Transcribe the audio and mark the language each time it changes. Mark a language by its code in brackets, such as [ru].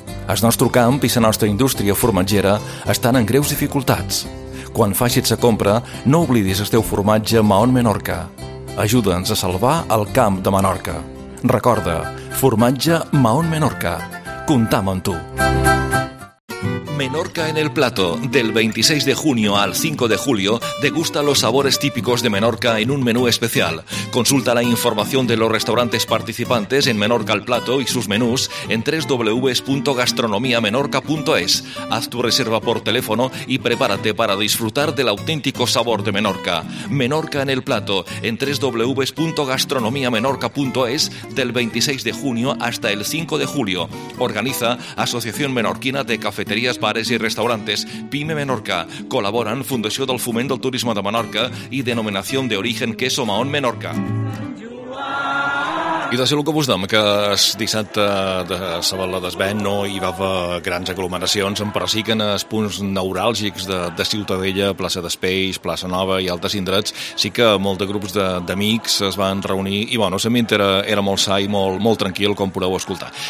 [ca] El nostre camp i la nostra indústria formatgera estan en greus dificultats. Quan facis la compra, no oblidis el teu formatge Mahón Menorca. Ajuda'ns a salvar el camp de Menorca. Recorda, formatge Mahón Menorca. [es] Contamos en tú. Menorca en el plato. Del 26 de junio al 5 de julio, degusta los sabores típicos de Menorca en un menú especial. Consulta la información de los restaurantes participantes en Menorca al plato y sus menús en www.gastronomiamenorca.es. Haz tu reserva por teléfono y prepárate para disfrutar del auténtico sabor de Menorca. Menorca en el plato en www.gastronomiamenorca.es del 26 de junio hasta el 5 de julio. Organiza Asociación Menorquina de Cafeterías, Bares i Restaurantes, Pime Menorca. [ca] Col·laboren Fundació del Foment del Turisme de Menorca i Denominació d'Origen Queso Mahón Menorca. I de ser el que vos dèiem, que el dissabte de Sabadell d'Esbent no hi va haver grans aglomeracions, però sí que en els punts neuràlgics de Ciutadella, plaça d'Espeix, plaça Nova i altres indrets, sí que molts de grups d'amics es van reunir i, bueno, l'ambient era molt sa i molt tranquil, com podeu escoltar.